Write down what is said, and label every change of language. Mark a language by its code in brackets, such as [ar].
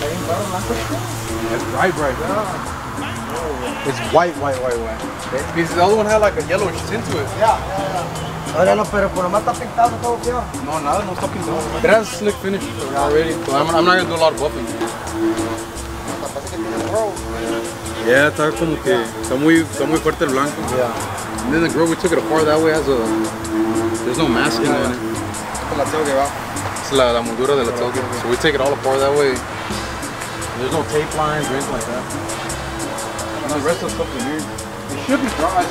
[en] It's bright, bright. It's white, white, white, white. Because the other one had like a yellowish tint to it. Yeah. [es] Órale, pero por lo más está pintado todo, tío. No, nada, no está pintado. [en] It has a slick finish already. So I'm not gonna do a lot of buffing. [es] Yeah, está como que está muy fuerte el blanco. [en] Yeah. And then the grill, we took it apart that way. There's no masking on it. [es] Esta es la tailgate, va. Es la moldura de la tailgate. [en] So we take it all apart that way. There's no tape lines or anything like that. And the rest of the stuff is weird.